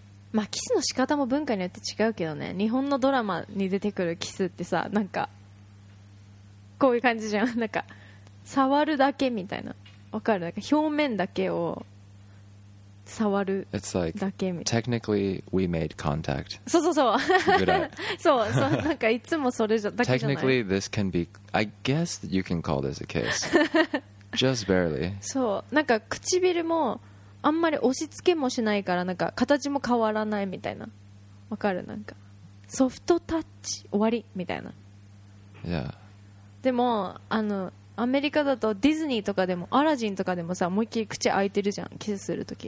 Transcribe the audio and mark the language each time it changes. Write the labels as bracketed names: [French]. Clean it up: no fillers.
[Japanese] まあキスの仕方も文化によって違うけどね。日本のドラマに出てくるキスってさ、なんかこういう感じじゃん。なんか触るだけみたいな、わかる？なんか表面だけを触るだけみたいな。 [English] It's like technically we made contact. [Japanese] そうそうそう。そう、そう、なんかいつもそれだけじゃない。 [English] Technically this can be, I guess you can call this a kiss. Just barely. [Japanese] そう、なんか唇もあんまり押し付けもしないから、なんか形も変わらないみたいな、わかる？なんかソフトタッチ終わりみたいな。 [English] Yeah. [Japanese] でもあの、アメリカだとディズニーとかでもアラジンとかでもさ、思いっきり口開いてるじゃん、キスするとき。